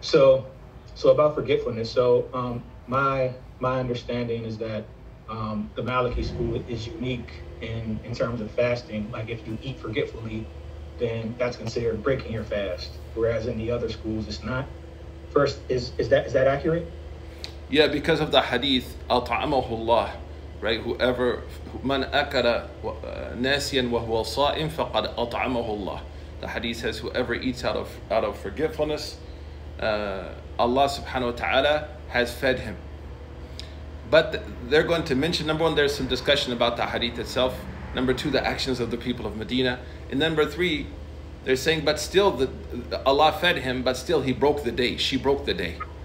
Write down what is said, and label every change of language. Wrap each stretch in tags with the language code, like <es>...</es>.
<en>So about forgetfulness. So my understanding is that the Maliki school is unique in terms of fasting. Like if you eat forgetfully, then that's considered breaking your fast. Whereas in the other schools, it's not. First, is that accurate? Yeah, because of the hadith,</en> <ar>أَطْعَمَهُ اللَّهُ,</ar> <en>right? Whoever,</en> <ar>مَنْ أَكَلَ نَاسِيًا وَهُوَ صَائِمٌ فَقَدْ أَطْعَمَهُ اللَّهُ.</ar> <en>The hadith says, whoever eats out of forgetfulness, Allah subhanahu wa ta'ala has fed him. But they're going to mention, number one, there's some discussion about the hadith itself. Number two, the actions of the people of Medina. And number three, they're saying, but still, Allah fed him, but still he broke the day, she broke the day.</en>